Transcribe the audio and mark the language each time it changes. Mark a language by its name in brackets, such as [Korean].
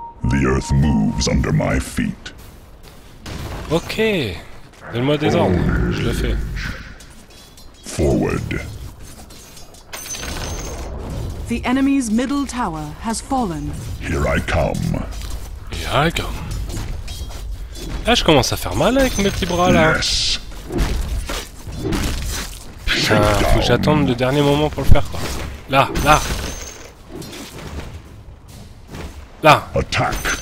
[English] The earth moves under my feet. [French] Ok, donne-moi des ordres, je le fais. [English] Forward. The enemy's middle tower has fallen. Here I come. Here I come. [French] Là, je commence à faire mal avec mes petits bras là. Yes. Putain, faut que j'attende le dernier moment pour le faire quoi. Là, là. Là. Attack.